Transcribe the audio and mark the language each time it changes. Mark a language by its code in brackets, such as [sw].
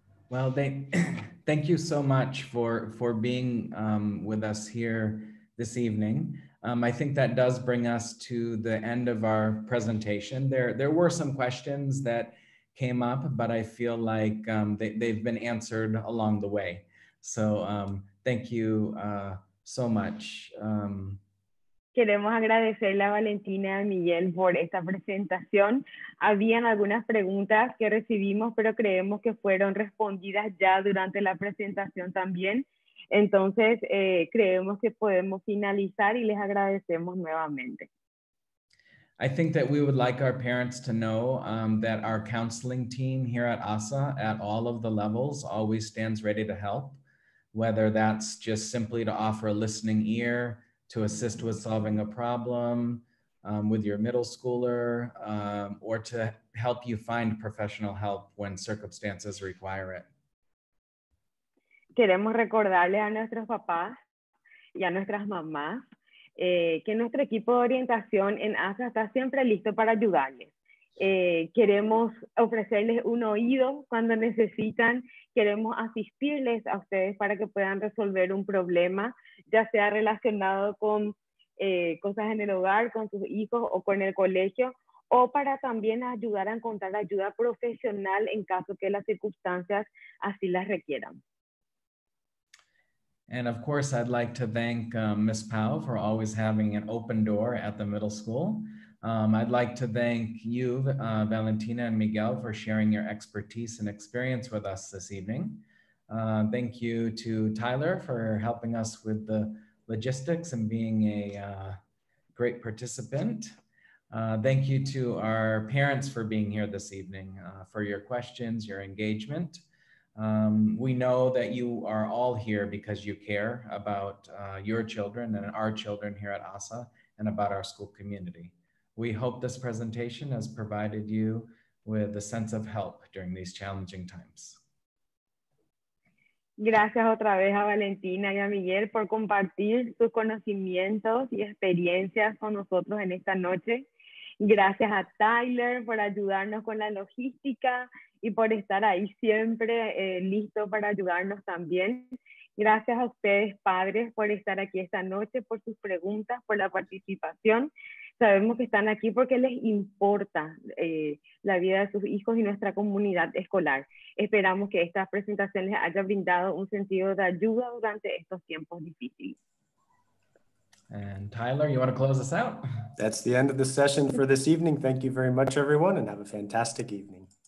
[en] Well, thank you so much for being with us here this evening. I think that does bring us to the end of our presentation. There were some questions that came up, but I feel like they've been answered along the way. So thank you so much. [es] Queremos agradecerle a Valentina y a Miguel por esta presentación. Habían algunas preguntas que recibimos, pero creemos que fueron respondidas ya durante la presentación también. Entonces, creemos que podemos finalizar y les agradecemos nuevamente. [en] I think that we would like our parents to know that our counseling team here at ASA at all of the levels always stands ready to help, whether that's just simply to offer a listening ear, to assist with solving a problem with your middle schooler, or to help you find professional help when circumstances require it. [es] Queremos recordarle a nuestros papás y a nuestras mamás que nuestro equipo de orientación en ASA está siempre listo para ayudarles. Queremos ofrecerles un oído cuando necesitan. Queremos asistirles a ustedes para que puedan resolver un problema, ya sea relacionado con cosas en el hogar, con sus hijos o con el colegio, o para también ayudar a encontrar ayuda profesional en caso que las circunstancias así las requieran. [en] And of course, I'd like to thank Ms. Pau for always having an open door at the middle school. I'd like to thank you, Valentina and Miguel, for sharing your expertise and experience with us this evening. Thank you to Tyler for helping us with the logistics and being a great participant. Thank you to our parents for being here this evening, for your questions, your engagement. We know that you are all here because you care about your children and our children here at ASA and about our school community. We hope this presentation has provided you with a sense of help during these challenging times. [es] Gracias otra vez a Valentina y a Miguel por compartir sus conocimientos y experiencias con nosotros en esta noche. Gracias a Tyler por ayudarnos con la logística y por estar ahí siempre listo para ayudarnos también. Gracias a ustedes, padres, por estar aquí esta noche, por sus preguntas, por la participación. Sabemos que están aquí porque les importa la vida de sus hijos y nuestra comunidad escolar. Esperamos que esta presentación les haya brindado un sentido de ayuda durante estos tiempos difíciles. [en] And Tyler, you want to close us out? That's the end of the session for this evening. Thank you very much, everyone, and have a fantastic evening.